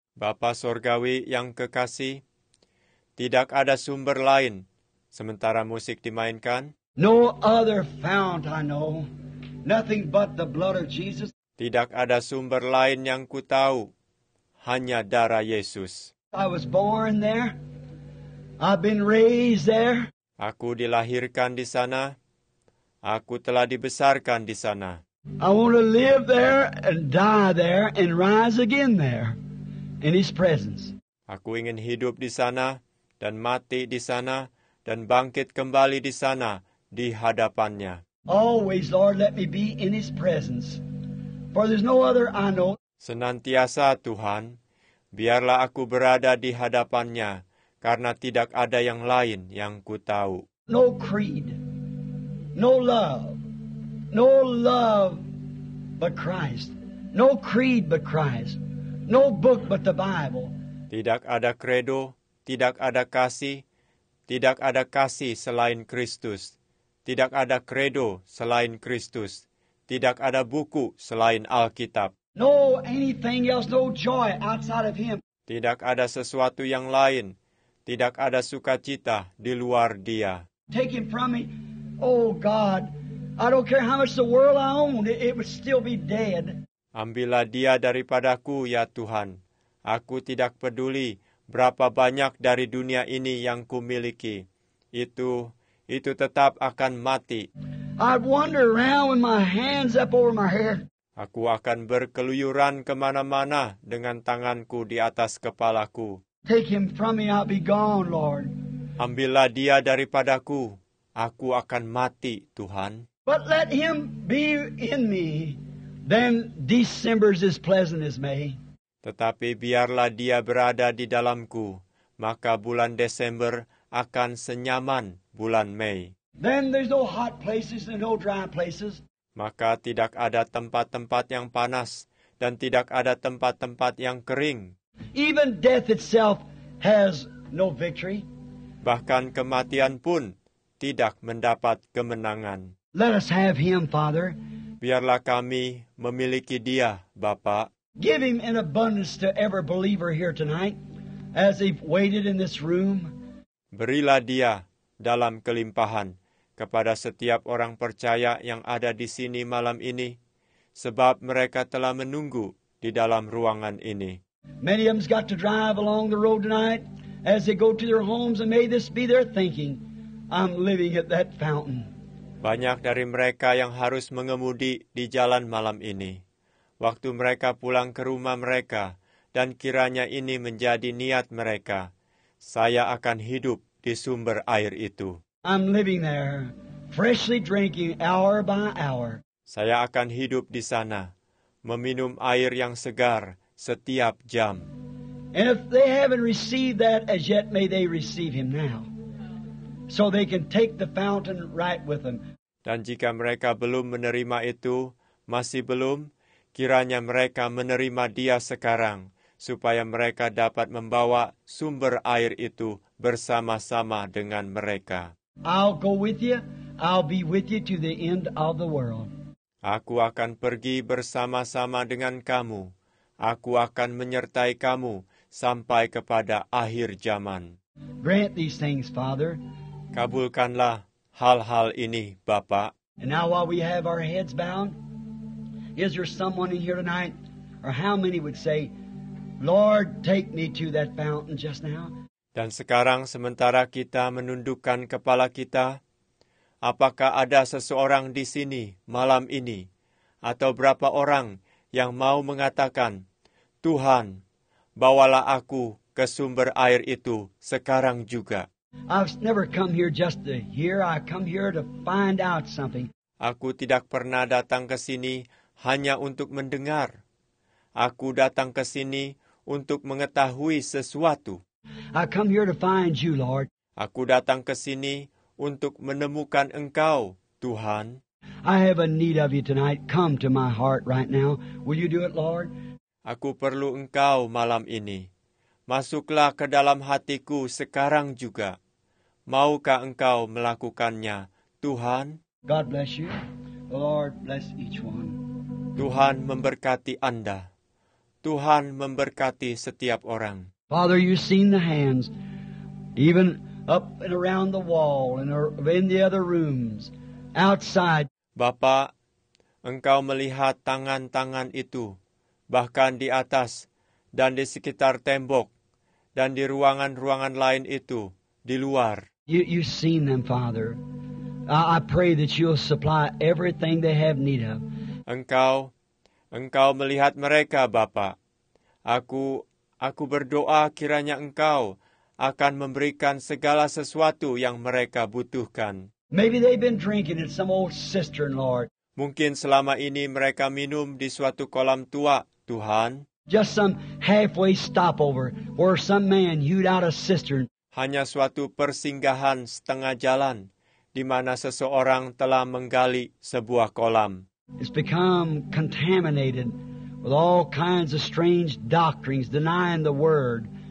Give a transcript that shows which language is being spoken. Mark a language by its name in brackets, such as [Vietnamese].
[Indonesian] Bapa Sorgawi yang kekasih, tidak ada sumber lain sementara musik dimainkan. [English] No other fount I know, nothing but the blood of Jesus. [Indonesian] Tidak ada sumber lain yang ku tahu, hanya darah Yesus. [English] I was born there. I've been raised there. [Indonesian] Aku dilahirkan di sana. Aku telah dibesarkan di sana. [English] I want to live there and die there and rise again there in His presence. [Indonesian] Aku ingin hidup di sana dan mati di sana dan bangkit kembali di sana di hadapannya. [English] Always, Lord, let me be in His presence. For there's no other I know. [Indonesian] Senantiasa Tuhan, biarlah aku berada di hadapannya, karena tidak ada yang lain yang ku tahu. [English] No creed, no love, no love but Christ. No creed but Christ. No book but the Bible. [Indonesian] Tidak ada credo, tidak ada kasih, tidak ada kasih selain Kristus. Tidak ada credo selain Kristus. Tidak ada buku selain Alkitab. [English] No anything else, no joy outside of Him. [Indonesian] Tidak ada sesuatu yang lain. Tidak ada sukacita di luar Dia. [English] Take Him from me, oh God. I don't care how much the world I own, it would still be dead. [Indonesian] Ambillah Dia daripadaku, ya Tuhan. Aku tidak peduli berapa banyak dari dunia ini yang kumiliki. Itu tetap akan mati. [English] I'd wander around with my hands up over my head. [Indonesian] Aku akan berkeluyuran kemana-mana dengan tanganku di atas kepalaku. [English] Take Him from me, I'll be gone, Lord. [Indonesian] Ambillah Dia daripadaku, aku akan mati, Tuhan. [English] But let Him be in me, then December's as pleasant as May. [Indonesian] Tetapi biarlah Dia berada di dalamku, maka bulan Desember akan senyaman bulan Mei. [English] Then there's no hot places and no dry places. [Indonesian] Maka tidak ada tempat-tempat yang panas dan tidak ada tempat-tempat yang kering. [English] Even death itself has no victory. [Indonesian] Bahkan kematian pun tidak mendapat kemenangan. [English] Let us have Him, Father. [Indonesian] Biarlah kami memiliki Dia, Bapa. [English] Give Him in abundance to every believer here tonight as they've waited in this room. [Indonesian] Berilah Dia dalam kelimpahan kepada setiap orang percaya yang ada di sini malam ini, sebab mereka telah menunggu di dalam ruangan ini. [English] Many of them's got to drive along the road tonight as they go to their homes, and may this be their thinking. I'm living at that fountain. [Indonesian] Banyak dari mereka yang harus mengemudi di jalan malam ini. Waktu mereka pulang ke rumah mereka, dan kiranya ini menjadi niat mereka, saya akan hidup di sumber air itu. [English] I'm living there, freshly drinking hour by hour. [Indonesian] Saya akan hidup di sana, meminum air yang segar setiap jam. [English] And if they haven't received that as yet, may they receive him now. So they can take the fountain right with them. [Indonesian] Dan jika mereka belum menerima itu, masih belum, kiranya mereka menerima dia sekarang, supaya mereka dapat membawa sumber air itu bersama-sama dengan mereka. [English] I'll go with you. I'll be with you to the end of the world. [Indonesian] Aku akan pergi bersama-sama dengan kamu. Aku akan menyertai kamu sampai kepada akhir zaman. [English] Grant these things, Father. [Indonesian] Kabulkanlah hal-hal ini, Bapa. [English] And now while we have our heads bowed, is there someone in here tonight, or how many would say, Lord, take me to that fountain just now? [Indonesian] Dan sekarang sementara kita menundukkan kepala kita, apakah ada seseorang di sini malam ini, atau berapa orang yang mau mengatakan, Tuhan, bawalah aku ke sumber air itu sekarang juga. [English] I've never come here just to hear. I come here to find out something. [Indonesian] Aku tidak pernah datang ke sini hanya untuk mendengar. Aku datang ke sini untuk mengetahui sesuatu. [English] I come here to find you, Lord. [Indonesian] Aku datang ke sini untuk menemukan Engkau, Tuhan. [English] I have a need of you tonight. Come to my heart right now. Will you do it, Lord? [Indonesian] Aku perlu Engkau malam ini. Masuklah ke dalam hatiku sekarang juga. Maukah Engkau melakukannya, Tuhan? [English] God bless you. The Lord bless each one. [Indonesian] Tuhan memberkati Anda. Tuhan memberkati setiap orang. [English] Father, you've seen the hands, even up and around the wall and in the other rooms, outside. [Indonesian] Bapa, Engkau melihat tangan-tangan itu, bahkan di atas dan di sekitar tembok, dan di ruangan-ruangan lain itu, di luar. [English] You've seen them, Father. I pray that you'll supply everything they have need of. [Indonesian] Engkau melihat mereka, Bapa. Aku berdoa kiranya Engkau akan memberikan segala sesuatu yang mereka butuhkan. [English] Maybe they've been drinking in some old cistern, Lord. [Indonesian] Mungkin selama ini mereka minum di suatu kolam tua, Tuhan. [English] Just some halfway stopover where some man hewed out a cistern. [Indonesian] Hanya suatu persinggahan setengah jalan di mana seseorang telah menggali sebuah kolam. [English] It's become contaminated with all kinds of strange doctrines denying the word.